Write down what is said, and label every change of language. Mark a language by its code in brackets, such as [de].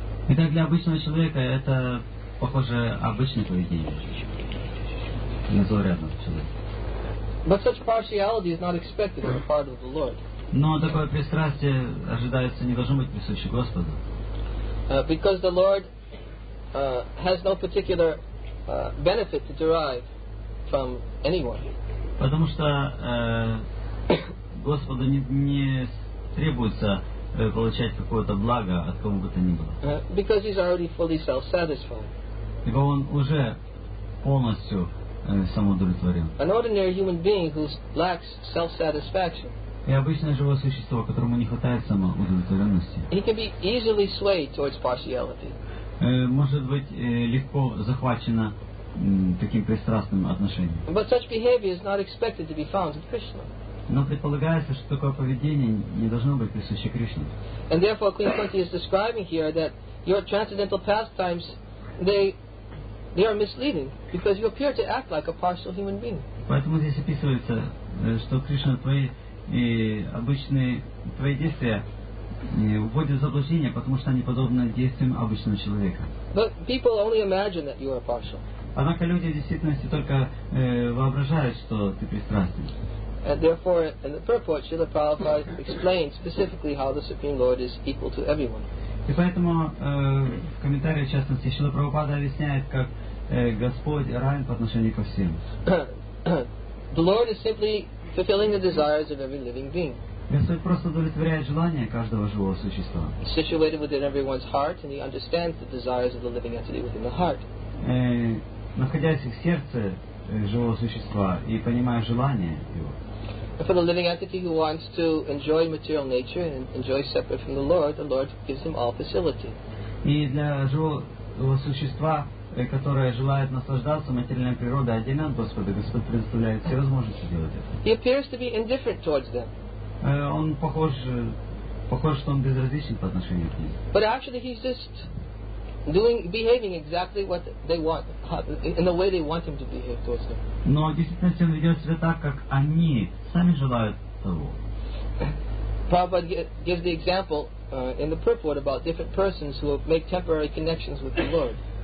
[ru] Итак, для обычного человека это похоже обычное поведение. Незаурядного человека. [en] But such partiality is not expected on the part of the Lord. [ru] Но такое пристрастие ожидается, не должно быть присуще Господу. [en] Because the Lord has no particular benefit to derive from anyone. [ru] Потому что Господу не требуется получать какое-то благо от кого бы то ни было. [en] Because he's already fully self-satisfied. [ru] Ибо он уже полностью самоудовлетворен. [en] An ordinary human being who lacks self-satisfaction. [ru] И обычное живое существо, которому не хватает самоудовлетворенности. [en] He can be easily swayed towards partiality. [ru] Может быть легко захвачено таким пристрастным отношением. [en] But such behavior is not expected to be found in Krishna. [ru] Но предполагается, что такое поведение не должно быть присуще Кришне. [en] And therefore Queen Kunti is describing here that your transcendental pastimes they are misleading because you appear to act like a partial human being. [ru] Поэтому здесь описывается, что Кришна, твои обычные твои действия вводят в заблуждение, потому что они подобны действиям обычного человека. [en] But people only imagine that you are partial. [ru] Однако люди в действительности только воображают, что ты пристрастен. [en] And therefore, in the purport, Srila Prabhupada explains specifically how the Supreme Lord is equal to everyone. [ru] И поэтому в комментариях, в частности, Шрила Прабхупада объясняет, как Господь равен по отношению ко всем. [en] The Lord is simply fulfilling the desires of every living being. [ru] Господь просто удовлетворяет желания каждого живого существа. [en] He's situated within everyone's heart, and he understands the desires of the living entity within the heart. [ru] Находясь в сердце живого существа и понимая желания его. [en] And for the living entity who wants to enjoy material nature and enjoy separate from the Lord gives him all facility. [ru] И для живого существа, которое желает наслаждаться материальной природой отдельно от Господа, Господь предоставляет все возможности делать это. [en] He appears to be indifferent towards them. [ru] Он похож, что он безразличен по отношению к ним. [en] But actually he's just behaving exactly what they want, in the way they want him to behave towards them. [ru] Но в действительности он ведет себя так, как они сами желают того. [en] Prabhupada gives the example in the purport about different persons who make temporary connections with the Lord.